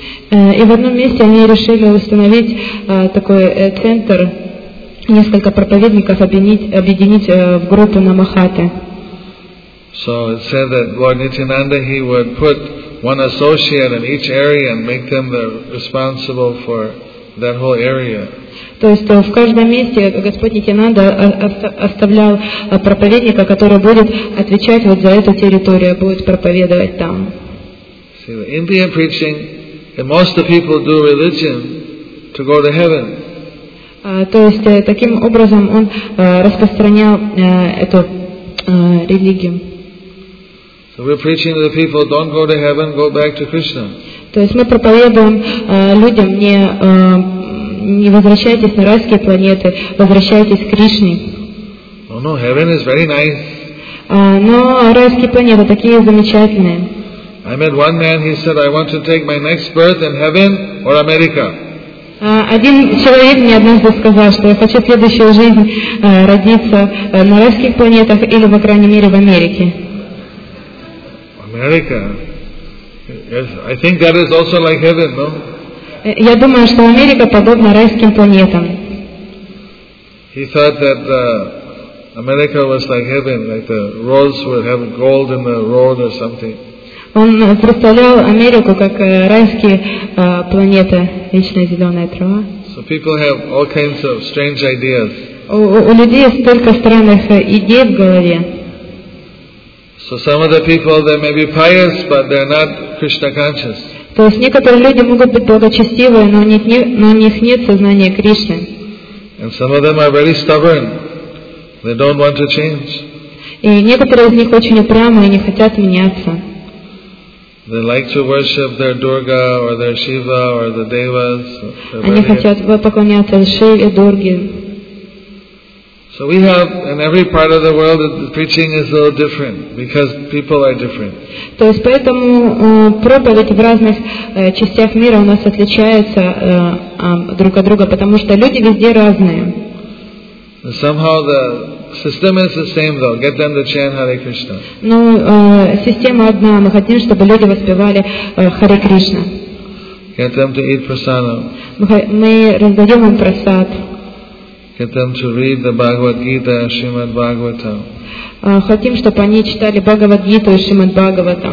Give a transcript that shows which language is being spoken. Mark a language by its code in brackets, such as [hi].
[ru] И в одном месте они решили установить такой центр, несколько проповедников объединить в группу Намахаты. [en] So it said that Lord Nityananda, he would put one associate in each area and make them the responsible for that whole area. [ru] То есть в каждом месте Господь Нитьянанда оставлял проповедника, который будет отвечать вот за эту территорию, будет проповедовать там. [en] See, the Indian preaching, and most of the people do religion to go to heaven. [ru] То есть таким образом он распространял эту религию. [en] So we're preaching to the people, don't go to heaven, go back to Krishna. [ru] То есть мы проповедуем людям, не возвращайтесь на райские планеты, возвращайтесь к Кришне. [en] Oh no, heaven is very nice. [ru] Но райские планеты такие замечательные. [en] I met one man, he said, I want to take my next birth in heaven or America. [ru] Один человек мне однажды сказал, что я хочу следующую жизнь родиться на райских планетах или, по крайней мере, в Америке. [en] America. Yes, I think that is also like heaven, no? [ru] Я думаю, что Америка подобна райским планетам. [en] He thought that America was like heaven, like the roads would have gold in the road or something. [ru] Он представлял Америку как райские планеты, вечная зеленая трава. [en] So people have all kinds of strange ideas. [ru] У людей столько странных идей в голове. [en] So some of the people they may be pious, but they're not Krishna conscious. [ru] То есть некоторые люди могут быть благочестивые, но у них нет сознания Кришны. [en] And some of them are very stubborn. They don't want to change. [ru] И некоторые из них очень упрямые и не хотят меняться. [en] They like to worship their Durga or their Shiva or the Devas. [ru] Они хотят поклоняться Шиве, Дурге. [en] So we have in every part of the world the preaching is a little different because people are different. [ru] То есть поэтому проповедь в разных частях мира у нас отличается друг от друга, потому что люди везде разные. [en] Somehow the system is the same though. Get them to chant Hare Krishna. [ru] Ну, система одна. Мы хотим, чтобы люди воспевали Харе Кришна. [en] Get them to eat prasada. [ru] Мы раздаем им прасад. [en] Get them to read the Bhagavad Gita, Shrimad Bhagavatam. [ru] Хотим, чтобы они читали Бхагавад Гиту и Шримад Бхагаватам.